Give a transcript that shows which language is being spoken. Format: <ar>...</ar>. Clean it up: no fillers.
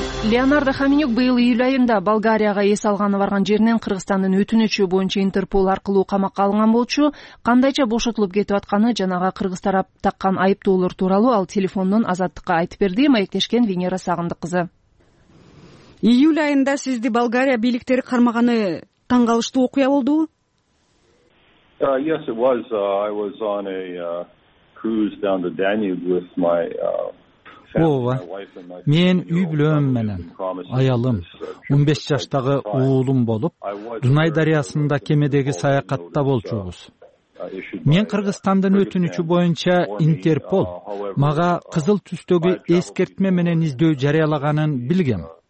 <ky>Леонардо Хаменюк быйыл июль айында Болгарияга эс алганы барган жеринен Кыргызстандын өтүнүчү боюнча Интерпол аркылуу камакка алынган болчу, кандайча бошотулуп кетип атканы жана ага кыргыз тарап таккан айыптоолор тууралуу ал телефондон Азаттыкка айтып берди. Маектешкен Венера Сагындык кызы. Июль айында сизди Болгария бийликтери кармаганы таң калыштуу окуя болдубу?</ky> <en>Yes, it was. I was on a cruise down the Danube with my</en> <ky>ооба, мен үй бүлөм менен аялым 15 жаштагы уулум болуп Дунай дарыясында кемедеги саякатта болчубуз. Мен Кыргызстандын өтүнүчү боюнча Интерпол мага кызыл түстөгү эскертме менен издөө жарыялаганын билгем.</ky>